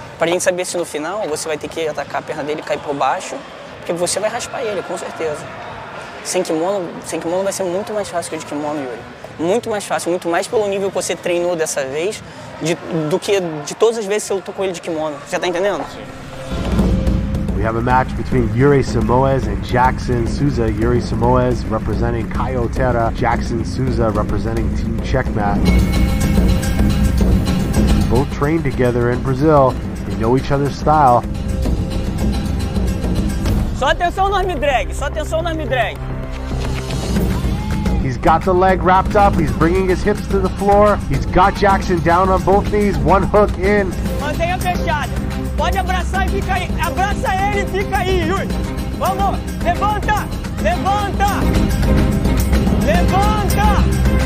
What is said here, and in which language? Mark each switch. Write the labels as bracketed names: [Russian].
[Portuguese] Pra gente saber se no final você vai ter que atacar a perna dele e cair por baixo, porque você vai raspar ele, com certeza. Sem kimono vai ser muito mais fácil que o de kimono, Yuri. Muito mais fácil, muito mais pelo nível que você treinou dessa vez do que de todas as vezes que eu tô com ele de kimono. Você tá entendendo? [English] We have a match between Yuri Simoes and Jackson Souza. Yuri Simoes representing Caio Terra. Jackson Souza representing Team Checkmat. Both trained together in Brazil. They know each other's style. [Portuguese] Só atenção no arm drag, só atenção no arm drag. [English] He's got the leg wrapped up, he's bringing his hips to the floor. He's got Jackson down on both knees, one hook in. [Portuguese] Mantenha fechado. Pode abraçar e fica aí. Abraça ele e fica aí, Yuri. Vamos, levanta, levanta. Levanta.